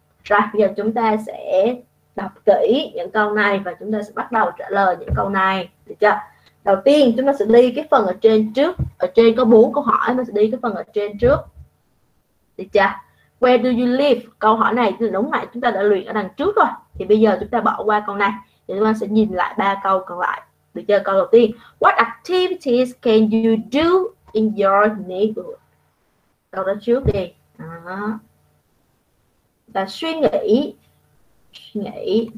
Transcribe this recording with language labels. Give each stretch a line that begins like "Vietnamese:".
Vietnamese: Rồi bây giờ chúng ta sẽ đọc kỹ những câu này và chúng ta sẽ bắt đầu trả lời những câu này, được chưa? Đầu tiên chúng ta sẽ đi cái phần ở trên trước. Ở trên có 4 câu hỏi, mình sẽ đi cái phần ở trên trước, được chưa?
English: Where do you live?
Vietnamese: Câu hỏi này thì đúng lại chúng ta đã luyện ở đằng trước rồi, thì bây giờ chúng ta bỏ qua câu này thì chúng ta sẽ nhìn lại 3 câu còn lại, được chưa? Câu đầu tiên,
English: what activities can you do in your neighborhood?
Vietnamese: Câu đó trước đi. Đó. Và suy nghĩ nghĩ.